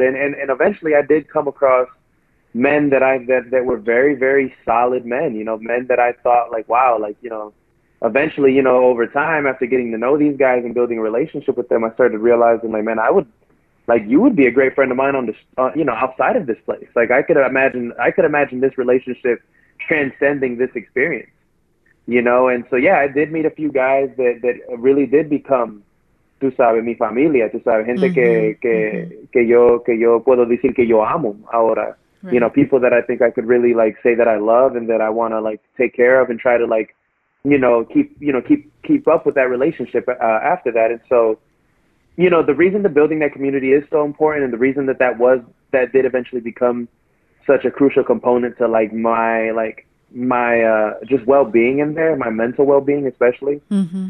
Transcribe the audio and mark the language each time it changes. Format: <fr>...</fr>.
<en>And eventually I did come across men that were very, very solid men, you know, men that I thought like, wow, like, you know, eventually, you know, over time, after getting to know these guys and building a relationship with them, I started realizing like, man, I would like, you would be a great friend of mine on this, you know, outside of this place. Like I could imagine this relationship transcending this experience, you know? And so, yeah, I did meet a few guys that really did become,</en> <es>tú sabes, mi familia, tú sabes, gente</es> <en>mm-hmm.</en> <es>que yo puedo decir que yo amo ahora.</es> <en>Right. You know, people that I think I could really like say that I love and that I want to like take care of and try to like, you know, keep up with that relationship after that. And so, you know, the reason that building that community is so important, and the reason that that did eventually become such a crucial component to my just well-being in there, my mental well-being especially, mm-hmm.</en>